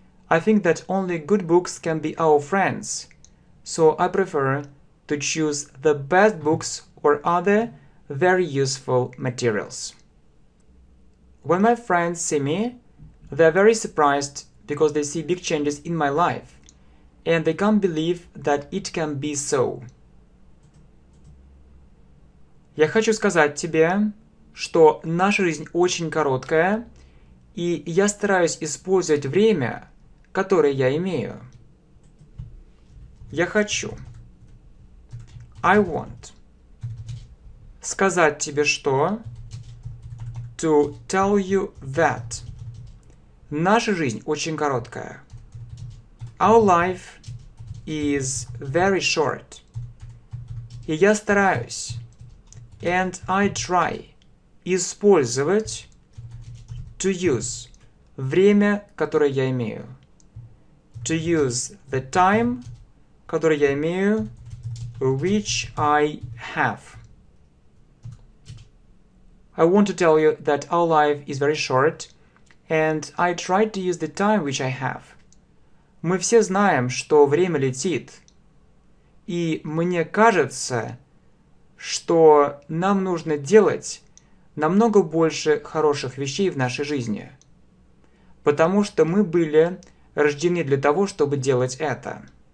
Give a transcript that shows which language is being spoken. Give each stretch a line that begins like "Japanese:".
English: I think that only good books can be our friends, so I prefer to choose the best books or other very useful materials. When my friends see me, they're very surprised because they see big changes in my life, and they can't believe that it can be so.
Russian: Я хочу сказать тебе, что наша жизнь очень короткая, и я стараюсь использовать время, которое я имею. Я хочу.
English: I want.
Russian: Сказать тебе что?
English: To tell you that.
Russian: Наша жизнь очень короткая.
English: Our life is very short.
Russian: И я стараюсь.
English: And I try.
Russian: Использовать.
English: To use.
Russian: Время, которое я имею.
English: To use the time,
Russian: которое я имею.
English: Which I have. I want to tell you that our life is very short, and I try to use the time which I have.
Russian: Мы все знаем, что время летит, и мне кажется, что нам нужно делать намного больше хороших вещей в нашей жизни, потому что мы были рождены для того, чтобы делать это.